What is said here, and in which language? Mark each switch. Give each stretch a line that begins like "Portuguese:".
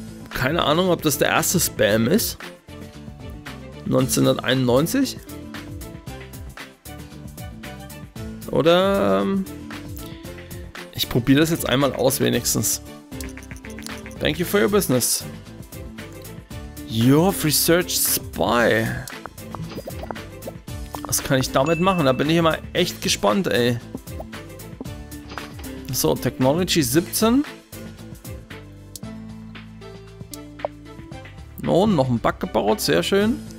German: Keine Ahnung, ob das der erste Spam ist. 1991? Oder ich probiere das jetzt einmal aus wenigstens.
English: Thank you for your business. You have researched spy.
German: Was kann ich damit machen? Da bin ich immer echt gespannt, ey. So, Technology 17. Oh, noch ein Bug gebaut, sehr schön.